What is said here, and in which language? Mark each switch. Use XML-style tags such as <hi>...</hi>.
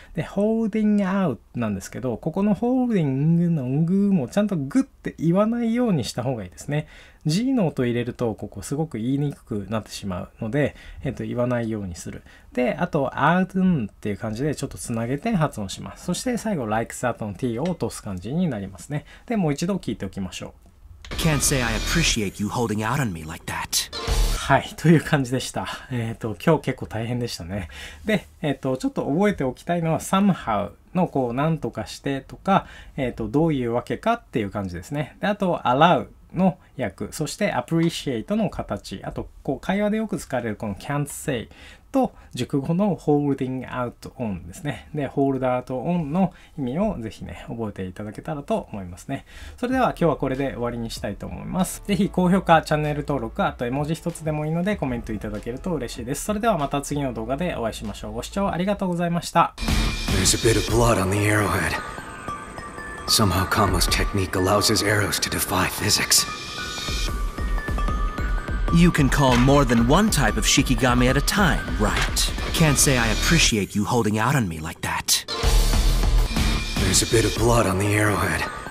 <ja>で</ja> <en>holding out</en> <ja>なんですけど、ここの holding のグーもちゃんとグって言わないようにした方がいいですね。 G の音入れるとここすごく言いにくくなってしまうので、言わないようにする。であと out っていう感じでちょっとつなげて発音します。そして最後</ja> <en>like that</en> <ja>の T を落とす感じになりますね。でもう一度聞いておきましょう。</ja> <en>Can't say I appreciate you holding out on me like that。</en> <ja>はい、という感じでした。今日結構大変でしたね。で、ちょっと覚えておきたいのは somehow のこう何とかしてとか、どういうわけかっていう感じですね。であと allow の訳、そして appreciate の形、あとこう会話でよく使われるこの can't say と熟語の holding out on ですね。で hold out on の意味をぜひね覚えていただけたらと思いますね。それでは今日はこれで終わりにしたいと思います。ぜひ高評価、チャンネル登録、あと絵文字一つでもいいのでコメントいただけると嬉しいです。それではまた次の動画でお会いしましょう。ご視聴ありがとうございました。</ja> <en>There's a bit of blood on the arrowhead. Somehow Kamo's technique allows his arrows to defy physics. You can call more than one type of Shikigami at a time, right? Can't say I appreciate you holding out on me like that. There's a bit of blood on the arrowhead.</en>